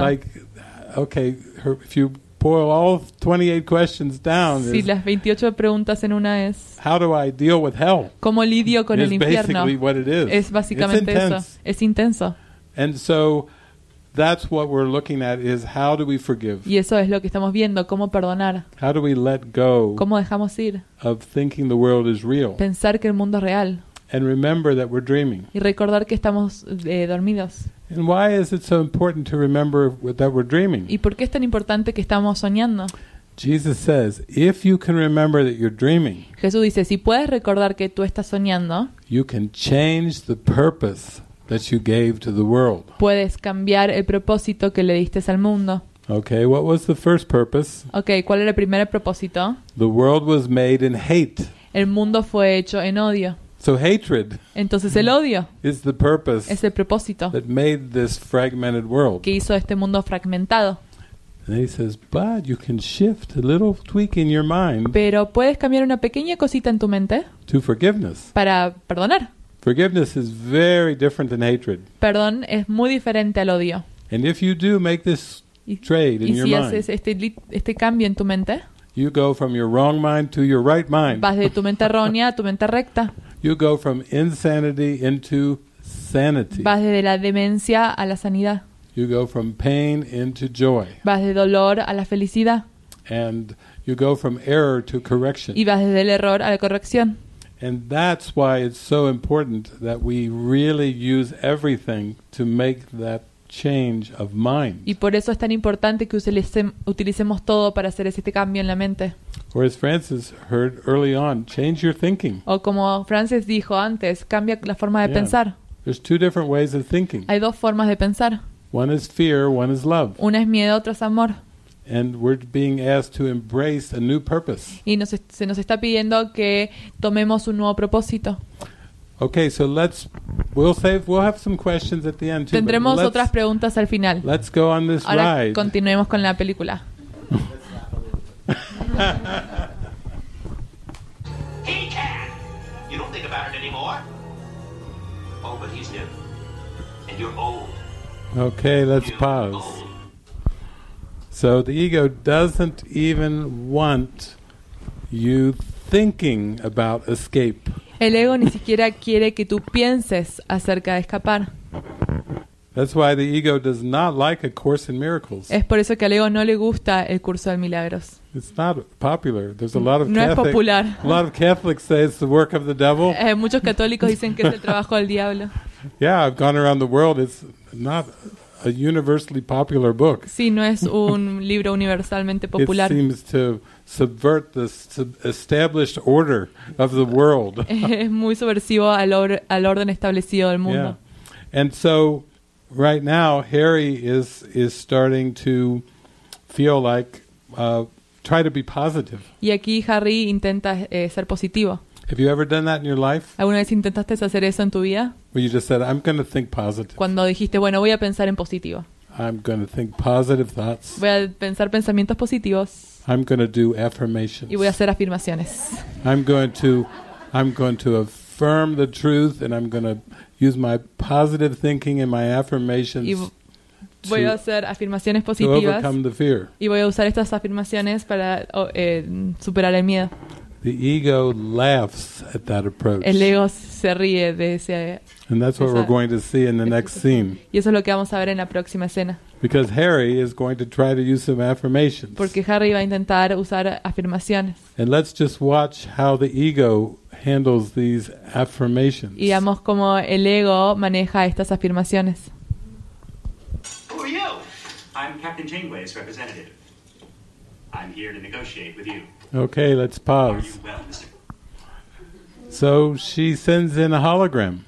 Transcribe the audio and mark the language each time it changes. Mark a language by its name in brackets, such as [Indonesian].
[English] Like, okay, if you boil all 28 questions down. [Spanish] Si las 28 preguntas en una es. [English] How do I deal with hell? [Spanish] ¿Cómo lidio con el infierno? [English] Basically what it is. [Spanish] Es básicamente [English] it's intense. [Spanish] Eso. Es intenso. [English] And so That's what we're looking at, is how do we forgive? [Spanish] Y eso es lo que estamos viendo, cómo perdonar. [English] How do we let go? [Spanish] ¿Cómo dejamos ir? [English] Of thinking the world is real. [Spanish] Pensar que el mundo es real. [English] And remember that we're dreaming. [Spanish] Y recordar que estamos dormidos. [English] And why is it so important to remember that we're dreaming? [Spanish] ¿Y por qué es tan importante que estamos soñando? [English] Jesus says, if you can remember that you're dreaming. [Spanish] Jesús dice, si puedes recordar que tú estás soñando. [English] You can change the purpose that you gave to the world. [Spanish] Puedes cambiar el propósito que le diste al mundo. [English] Okay, what was the first purpose? [Spanish] Okay, ¿cuál era el primer propósito? [English] The world was made in hate. [Spanish] El mundo fue hecho en odio. [English] So hatred. [Spanish] Entonces el odio. [English] Is the purpose. [Spanish] Es el propósito. [English] That made this fragmented world. [Spanish] Que hizo este mundo fragmentado. [English] And he says, but you can shift a little tweak in your mind. [Spanish] Pero puedes cambiar una pequeña cosita en tu mente. [English] To forgiveness. [Spanish] Para perdonar. [English] Forgiveness is very different than hatred. [Spanish] Perdón es muy diferente al odio. [English] And if you do make this trade in your mind. [Spanish] Y si haces este cambio en tu mente. [English] You go from your wrong mind to your right mind. [Spanish] Vas de tu mente errónea a tu mente recta. [English] You go from insanity into sanity. [Spanish] Vas de la demencia a la sanidad. [English] You go from pain into joy. [Spanish] Vas de dolor a la felicidad. [English] And you go from error to correction. [Spanish] Y vas desde el error a la corrección. [English] And that's why it's so important that we really use everything to make that change of mind. [Spanish] Y por eso es tan importante que utilicemos todo para hacer ese cambio en la mente. [English] Or as Francis heard early on, change your thinking. [Spanish] O como Francis dijo antes, cambia la forma de pensar. [English] There's two different ways of thinking. [Spanish] Hay dos formas de pensar. [English] One is fear, one is love. [Spanish] Una es miedo, otra es amor. [English] And we're being asked to embrace a new purpose. [Spanish] Y se nos está pidiendo que tomemos un nuevo propósito. [English] Okay, so we'll have some questions at the end too. [Spanish] Tendremos otras preguntas al final. [English] Let's go on this [Spanish] ahora [English] ride. [Spanish] Ahora continuemos con la película. [English] He can. You don't think about it anymore. Oh, but he's new. And you're old. Okay, let's pause. So the ego doesn't even want you thinking about escape. [Spanish] El ego ni siquiera quiere que tú pienses acerca de escapar. [English] That's why the ego does not like A Course in Miracles. [Spanish] Es por eso que al ego no le gusta El Curso de Milagros. [English] It's not popular. There's a lot of [Spanish] no [English] Catholic, [Spanish] es popular. [English] A lot of Catholics say it's the work of the devil. [Spanish] Muchos católicos dicen que es el trabajo del diablo. [English] Yeah, I've gone around the world. It's not a universally popular book. [Spanish] Sí, no es un libro universalmente popular. [English] It seems to subvert the established order of the world. [Spanish] Es muy subversivo al orden establecido del mundo. [English] Yeah. And so right now Harry is starting to feel like try to be positive. [Spanish] Y aquí Harry intenta ser positivo. [English] Have you ever done that in your life? [Spanish] ¿Alguna vez intentaste hacer eso en tu vida? [English] Where you just said, I'm going to think positive. [Spanish] Cuando dijiste, bueno, voy a pensar en positivo. [English] I'm going to think positive thoughts. [Spanish] Voy a pensar pensamientos positivos. [English] I'm going to do affirmations. [Spanish] Y voy a hacer afirmaciones. [English] I'm going to affirm the truth, and I'm going to use my positive thinking and my affirmations. [Spanish] Voy a hacer afirmaciones positivas. [English] To overcome the fear. [Spanish] Y voy a usar estas afirmaciones para superar el miedo. [English] The ego laughs at that approach. [Spanish] El ego se ríe de ese. [English] And that's what we're going to see in the next scene. [Spanish] Y eso es lo que vamos a ver en la próxima escena. [English] Because Harry is going to try to use some affirmations. [Spanish] Porque Harry va a intentar usar afirmaciones. [English] And let's just watch how the ego handles these affirmations. [Spanish] Y vamos cómo el ego maneja estas afirmaciones. [English] Who are you? I'm Captain Janeway's representative. I'm here to negotiate with you. Okay, let's pause. So she sends in a hologram.